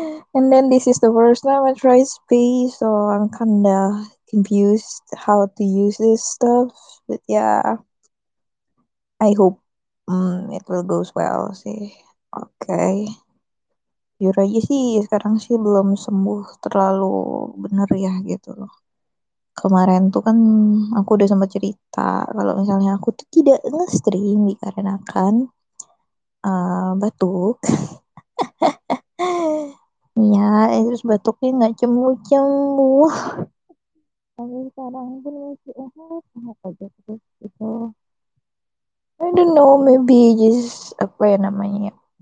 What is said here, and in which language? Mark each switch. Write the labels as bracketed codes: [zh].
[en] And then this is the first time I try space, so I'm kinda confused how to use this stuff. But yeah, I hope it will go well sih. Okay. [id] Jujur aja sih, sekarang sih belum sembuh terlalu bener ya gitu loh. Kemarin tuh kan aku udah sempat cerita kalau misalnya aku tuh tidak nge-stream dikarenakan batuk. Ya, terus batuknya nggak cembuh-cembuh. Tapi sekarang pun masih sehat aja terus gitu. [en] I don't know, maybe just [id] apa ya namanya.